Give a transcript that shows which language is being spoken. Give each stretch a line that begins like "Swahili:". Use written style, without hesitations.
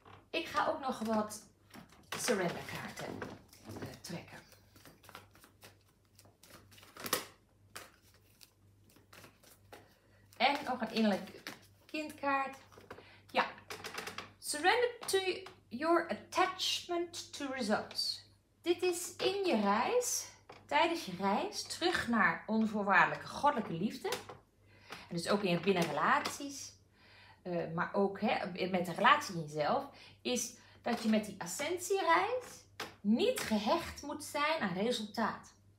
Dutch: Ik ga ook nog wat surrender kaarten trekken. En nog een innerlijk kindkaart.
English: Surrender to your attachment to results.
Dutch: Dit is in je reis, tijdens je reis, terug naar onvoorwaardelijke goddelijke liefde. En dus ook in binnen relaties, maar ook hè, met de relatie in jezelf, is dat je met die ascensiereis niet gehecht moet zijn aan resultaat.